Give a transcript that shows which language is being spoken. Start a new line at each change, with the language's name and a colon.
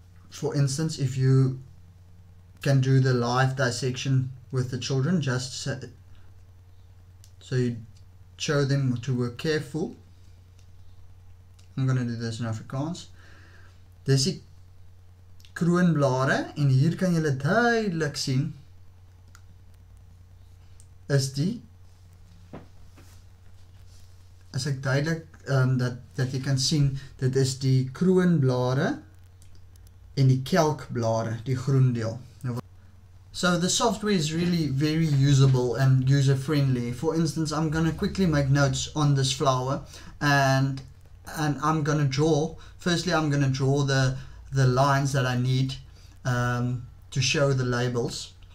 English: For instance, if you can do the live dissection with the children, just so So you show them to work careful. I'm going to do this in Afrikaans.
Afrikaans: Dis die kroonblare en hier kan julle duidelik sien is die as ek duidelik dat jy kan sien dit is die kroonblare en die kelkblare, die groen deel.
English: So the software is really very usable and user friendly. For instance, I'm going to quickly make notes on this flower and I'm going to draw. Firstly, I'm going to draw the lines that I need to show the labels.